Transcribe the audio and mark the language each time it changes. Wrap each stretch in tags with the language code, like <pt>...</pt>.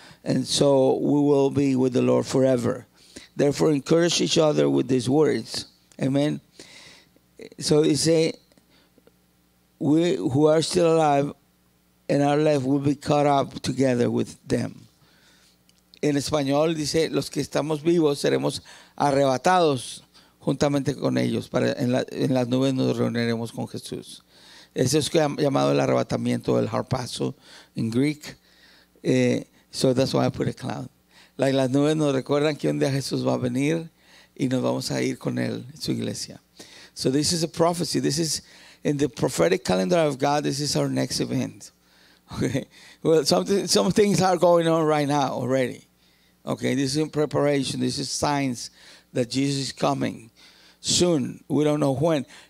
<en>And so we will be with the Lord forever. Therefore, encourage each other with these words. Amen. So you say, we who are still alive and are left will be caught up together with them.</en> <es>En español dice, los que estamos vivos seremos arrebatados juntamente con ellos. En las nubes nos reuniremos con Jesús. Eso es llamado el arrebatamiento, el harpazo en Greek.</es> <en>So that's why I put a cloud. Like</en> <es>las nubes nos recuerdan que un día Jesús va a venir y nos vamos a ir con él en su iglesia.</es> <en>So this is a prophecy. This is in the prophetic calendar of God, this is our next event. Okay. Well, some things are going on right now already. Okay, this is in preparation. This is signs that Jesus is coming soon. We don't know when.</en>